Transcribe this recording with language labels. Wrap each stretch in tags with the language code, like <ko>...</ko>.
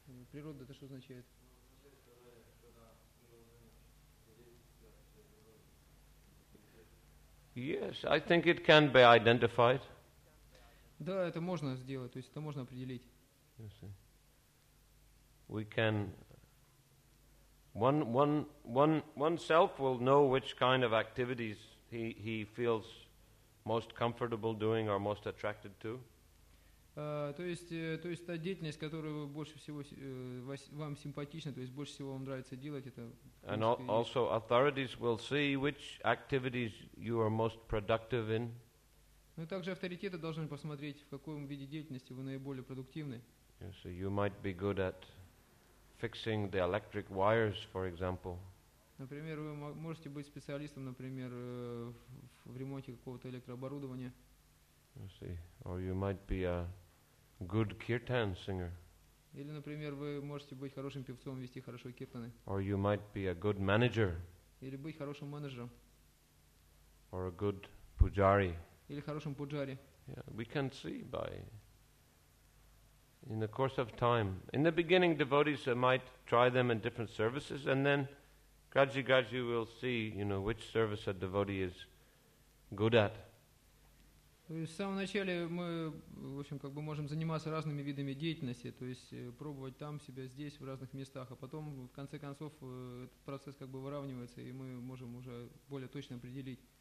<ru>Природа, это что означает?</ru> <en>Yes, I think it can be identified.</en> <ru>Да, это можно сделать, то есть это можно определить.</ru> <en>Yes. We can. One self will know which kind of activities he feels most comfortable doing or most attracted to.</en> <ru>То есть та деятельность, которую больше всего вам симпатична, то есть больше всего вам нравится делать это.</ru> <en>And also authorities will see which activities you are most productive in.</en> <ru>Ну также авторитеты должны посмотреть, в каком виде деятельности вы наиболее продуктивны.</ru> <en>Yes, so you might be good at fixing the electric wires, for example.</en> <ru>Например, вы можете быть специалистом, например, в ремонте какого-то электрооборудования.</ru> <en>I see. Or you might be a good kirtan singer.</en> <ru>Или, например, вы можете быть хорошим певцом, вести хорошо киртаны.</ru> <en>Or you might be a good manager.</en> <ru>Или быть хорошим менеджером.</ru> <en>Or a good pujari.</en> <ru>Или хорошим пуджари.</ru> <en>Yeah, we can see by. In the course of time, in the beginning, devotees might try them in different services, and then gradually we'll see, you know, which service a devotee is good at.</en> <ru>С самого начала мы, в общем, как бы можем заниматься разными видами деятельности, то есть пробовать там себя здесь в разных местах, а потом в конце концов этот процесс как бы выравнивается, и мы можем уже более точно определить.</ru>